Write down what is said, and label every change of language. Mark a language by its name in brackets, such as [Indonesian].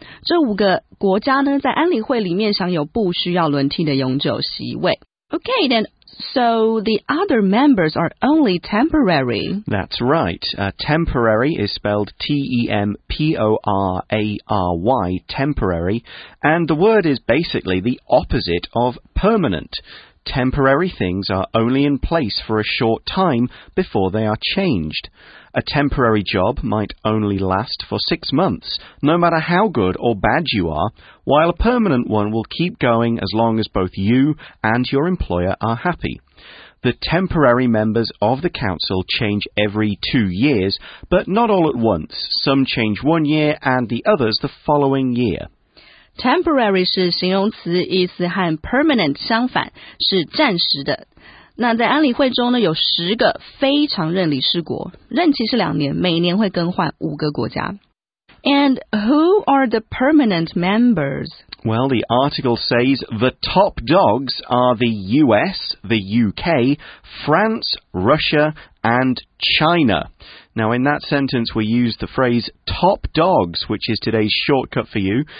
[Chinese] 这五个国家呢，在安理会里面享有不需要轮替的永久席位。 [English] Okay, then, so the other members are only temporary. That's right. Temporary is spelled T-E-M-P-O-R-A-R-Y, temporary. And the word is basically the opposite of permanent. Temporary things are only in place for a short time before they are changed. A temporary job might only last for 6 months, no matter how good or bad you are, while a permanent one will keep going as long as both you and your employer are happy. the temporary members of the council change every 2 years, but not all at once. Some change 1 year and the others the following year. [Chinese] Temporary 是形容词，意思和 permanent 相反，是暂时的。那在安理会中呢，有十个非常任理事国，任期是两年，每年会更换五个国家。 [English] And who are the permanent members? Well, the article says the top dogs are the US, the UK, France, Russia, and China. Now, in that sentence, we use the phrase top dogs, which is today's shortcut for you.